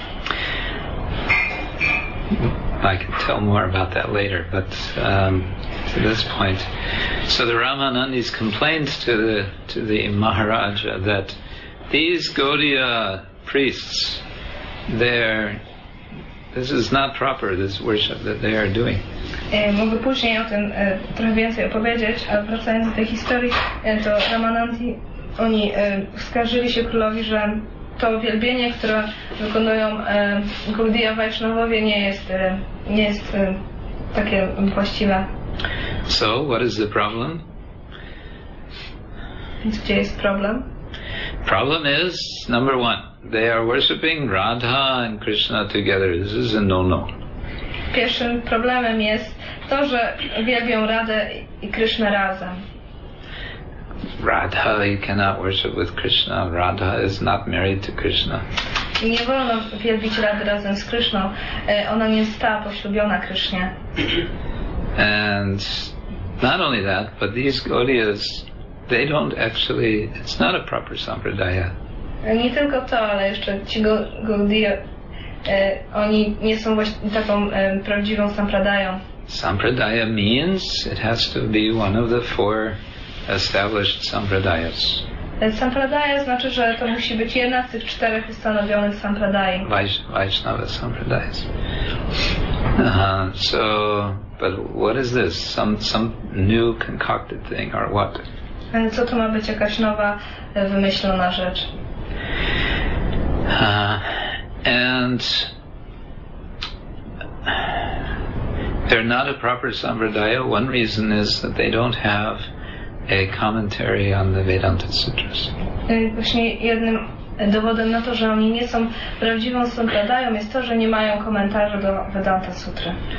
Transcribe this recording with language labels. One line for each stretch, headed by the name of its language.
English: I can tell more about that later, but to this point. So the Ramanandis complained to the Maharaja that these Gaudiya priests, this is not proper, this worship that they are doing.
Polish: Mogę później o tym trochę więcej opowiedzieć, a wracając do tej historii, to Ramanandi, oni skarżyli się królowi, że to wielbienie, które wykonują Gaudiya Vaishnavowie, nie jest takie właściwe.
English: So, what is the problem?
Polish: Więc gdzie jest problem?
English: Problem is, number one, they are worshipping Radha and Krishna together. This is a no-no.
Polish: Pierwszym problemem jest to, że wielbią Radę i Krishna razem.
English: Radha, you cannot worship with Krishna. Radha is not married to Krishna.
Polish: Nie wolno wielbić Rady razem z Krishną. Ona nie została poślubiona Krishnie.
English: And not only that, but these Gaudiyas, they don't actually, it's not a proper sampradaya.
Polish: Nie tylko to, ale jeszcze ci Gaudiya, oni nie są właśnie taką prawdziwą sampradają.
English: Sampradaya means it has to be one of the four established sampradayas.
Polish: Sampradaya znaczy, że to musi być jedna z tych czterech ustanowionych sampradaj.
English: Vaishnava sampradayas. So, but what is this? Some new concocted thing or what?
Polish: Co to ma być jakaś nowa, wymyślona rzecz?
English: And they're not a proper sampradaya. One reason is that they don't have a commentary on the Vedanta Sutras.
Polish: Właśnie jednym dowodem na to, że oni nie są prawdziwą sampradają, jest to, że nie mają komentarza do Vedanta Sutry.